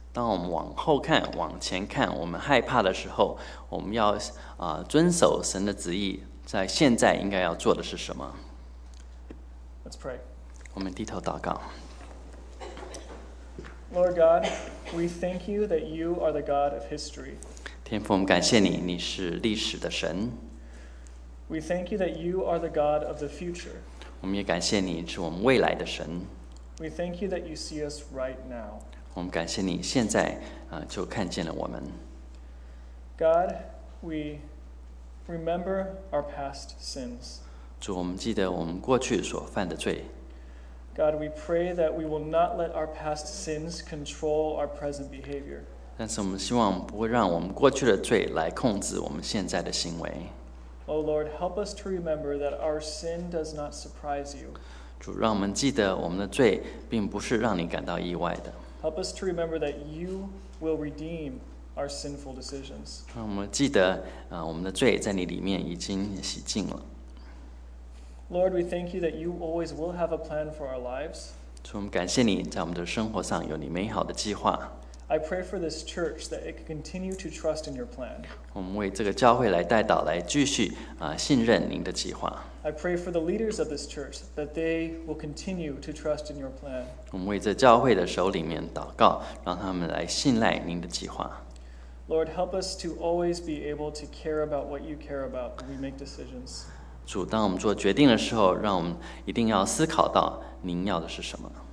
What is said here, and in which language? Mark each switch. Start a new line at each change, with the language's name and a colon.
Chinese: 当我们往后看，往前看，我们害怕的时候，我们要遵守神的旨意，在现在应该要做的是什么？
English: Let's pray.
Chinese: 我们低头祷告。
English: Lord God, we thank you that you are the God of history.
Chinese: 天父，我们感谢你，你是历史的神。
English: We thank you that you are the God of the future.
Chinese: 我们也感谢你，是我们未来的神。
English: We thank you that you see us right now.
Chinese: 我们感谢你，现在就看见了我们。
English: God, we remember our past sins.
Chinese: 主，我们记得我们过去所犯的罪。
English: God, we pray that we will not let our past sins control our present behavior.
Chinese: 但是我们希望不会让我们过去的罪来控制我们现在的行为。
English: O Lord, help us to remember that our sin does not surprise you.
Chinese: 主，让我们记得我们的罪并不是让你感到意外的。
English: Help us to remember that you will redeem our sinful decisions.
Chinese: 让我们记得我们的罪在你里面已经洗净了。
English: Lord, we thank you that you always will have a plan for our lives.
Chinese: 主，我们感谢你在我们的生活上有你美好的计划。
English: I pray for this church that it can continue to trust in your plan.
Chinese: 我们为这个教会来代祷，来继续信任您的计划。
English: I pray for the leaders of this church that they will continue to trust in your plan.
Chinese: 我们为这教会的首领们祷告，让他们来信赖您的计划。
English: Lord, help us to always be able to care about what you care about when we make decisions.
Chinese: 主，当我们做决定的时候，让我们一定要思考到您要的是什么。